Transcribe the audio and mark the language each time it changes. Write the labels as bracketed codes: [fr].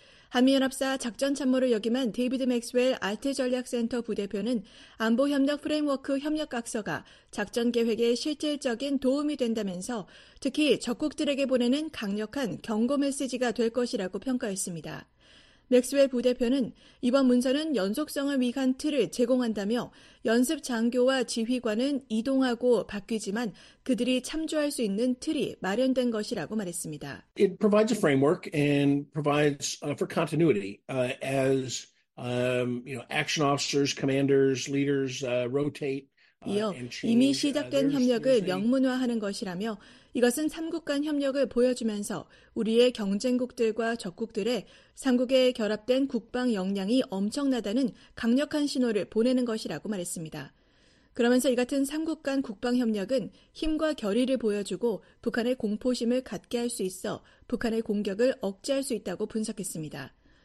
[ko] 한미연합사 작전참모를 역임한 데이비드 맥스웰 아트전략센터 부대표는 안보협력 프레임워크 협력각서가 작전계획에 실질적인 도움이 된다면서 특히 적국들에게 보내는 강력한 경고 메시지가 될 것이라고 평가했습니다. 맥스웰 부대표는 이번 문서는 연속성을 위한 틀을 제공한다며 연습 장교와 지휘관은 이동하고 바뀌지만 그들이 참조할 수 있는 틀이 마련된 것이라고 말했습니다. [en] It provides a framework and provides for continuity as you know action officers, commanders, leaders rotate. [ko] 이어 이미 시작된 협력을 명문화하는 것이라며 이것은 3국 간 협력을 보여주면서 우리의 경쟁국들과 적국들의 3국의 결합된 국방 역량이 엄청나다는 강력한 신호를 보내는 것이라고 말했습니다. 그러면서 이 같은 3국 간 국방 협력은 힘과 결의를 보여주고 북한의 공포심을 갖게 할 수 있어 북한의 공격을 억제할 수 있다고 분석했습니다.